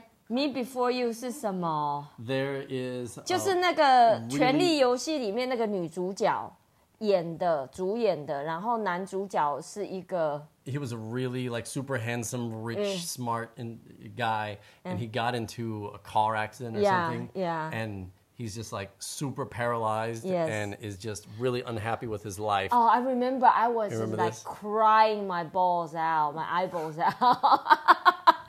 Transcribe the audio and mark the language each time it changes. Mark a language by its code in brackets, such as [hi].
[zh] Me Before You 是什么？ [en] There is [zh] 就是那个《权力游戏》里面那个女主角演的主演的，然后男主角是一个。 [en] He was a really like super handsome, rich, smart guy, and he got into a car accident or something. Yeah. And he's just like super paralyzed and is just really unhappy with his life. Oh, I remember. I was remember like、this? Crying my balls out, my eyeballs out.